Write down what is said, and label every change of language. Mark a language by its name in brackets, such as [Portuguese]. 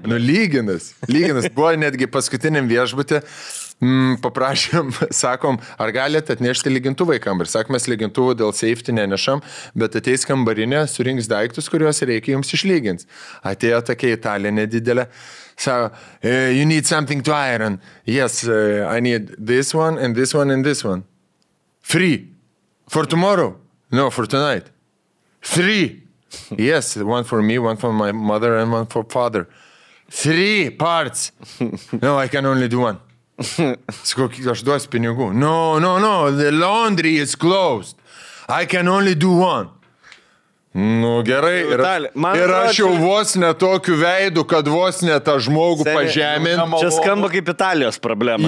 [Lithuanian] Nu, lyginas. Lyginas. Buvo netgi paskutiniam viešbutį, paprašėm, sakom, ar galite atnešti lygintuvą į kambarį. Sakom, mes lygintuvų dėl safety nenešam, bet ateis kambarinė, surinks daiktus, kuriuos reikia jums išlygins. Atėjo tokia Italija nedidelė. [English] So, you need something to iron. Yes, I need this one and this one and this one. Free. For tomorrow? No, for tonight. Three. Yes, one for me, one for my mother and one for father. Three parts. No, I can only do one. Sakau, aš duosiu pinigų. No, the laundry is closed. I can only do one. Nu, gerai. [Lithuanian] Ir aš jau vos ne tokiu veidu, kad vos ne tą žmogų pažemint. Čia skamba kaip Italijos problema,